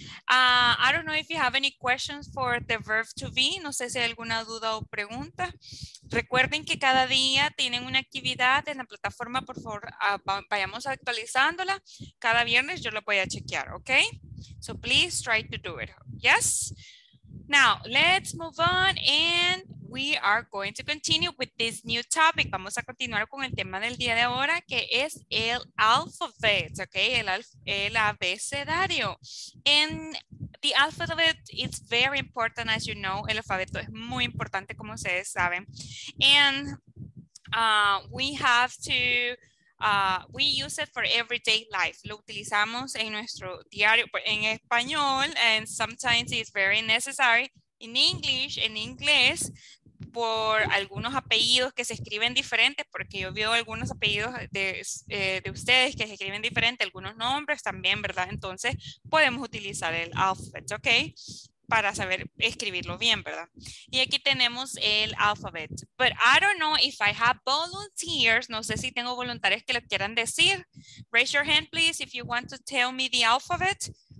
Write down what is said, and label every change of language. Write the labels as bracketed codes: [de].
[en] I don't know if you have any questions for the verb to be. [es] No sé si hay alguna duda o pregunta. Recuerden que cada día tienen una actividad en la plataforma. Por favor, vayamos actualizándola. Cada viernes yo lo voy a chequear, okay? So please try to do it, yes? [en] Now, let's move on and we are going to continue with this new topic. [es] Vamos a continuar con el tema del día de ahora, que es el alphabet, okay? El abecedario. [en] And the alphabet is very important, as you know. [es] El alfabeto es muy importante, como ustedes saben. [en] And we have to, we use it for everyday life. [es] Lo utilizamos en nuestro diario, en español, [en] and sometimes it's very necessary in English, [es] en inglés, por algunos apellidos que se escriben diferentes, porque yo veo algunos apellidos de ustedes que se escriben diferente, algunos nombres también, ¿verdad? Entonces, podemos utilizar el alphabet, ¿ok? Para saber escribirlo bien, ¿verdad? Y aquí tenemos el alphabet. [en] But I don't know if I have volunteers. [es] No sé si tengo voluntarios que lo quieran decir. [en] Raise your hand, please, if you want to tell me the alphabet.